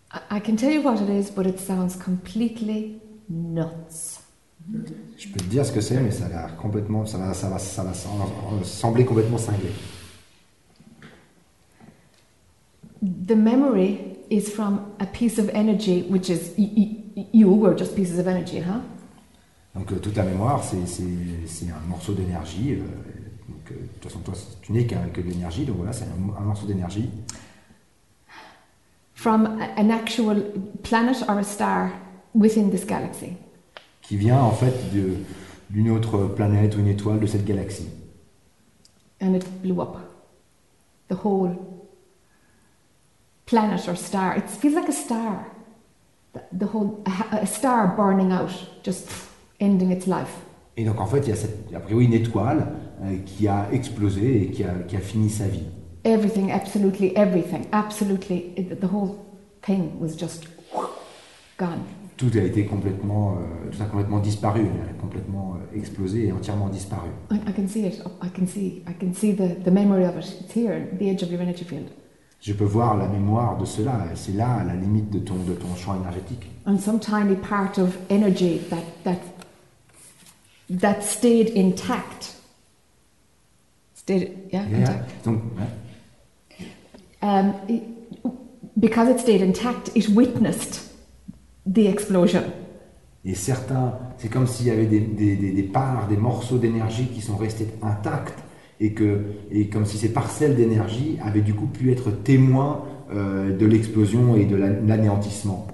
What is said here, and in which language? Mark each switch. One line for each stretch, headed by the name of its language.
English: I can tell you what it is, but it sounds completely nuts.
French: Je peux te dire ce que c'est, mais ça a l'air complètement, ça va sembler complètement cinglé.
English: The memory is from a piece of energy, which is you were just pieces of energy, huh?
French: Donc toute la mémoire, c'est un morceau d'énergie. Donc de toute façon, toi, tu n'es qu'un que d'énergie, donc voilà, c'est un morceau d'énergie.
English: From an actual planet or a star within this galaxy.
French: Qui vient en fait d'une autre planète ou une étoile de cette galaxie.
English: And it blew up. The whole planet or star. It feels like a star. The whole a star burning out, just ending its life.
French: Et donc en fait, il y a cette, a priori une étoile qui a explosé et qui a fini sa vie.
English: Everything, absolutely everything, absolutely, the whole thing was just gone.
French: Tout a été complètement, tout a complètement disparu, complètement explosé et entièrement disparu.
English: I can see it. I can see the memory of it. It's here, the edge of your energy field.
French: Je peux voir la mémoire de cela. C'est là, à la limite de ton champ énergétique.
English: And some tiny part of energy that stayed intact. Intact.
French: Donc, ouais.
English: Because it stayed intact, it witnessed the explosion.
French: Et certains, c'est comme s'il y avait des parts, des morceaux d'énergie qui sont restés intacts, et comme si ces parcelles d'énergie avaient du coup pu être témoins de l'explosion et de l'anéantissement.